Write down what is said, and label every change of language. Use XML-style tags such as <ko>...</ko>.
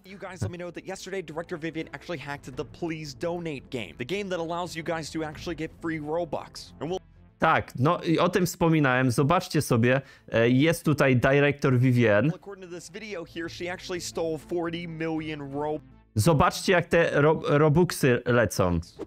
<en>You guys let me know that yesterday director Vivian actually hacked the please donate game. The game that allows you guys to actually get free Robux.</en> <pl>Tak, no i o tym wspominałem. Zobaczcie sobie, jest tutaj dyrektor Vivian.</pl> <en>According to this video here, she actually stole 40 million Robux.</en> <pl>Zobaczcie, jak te robuxy lecą.</pl>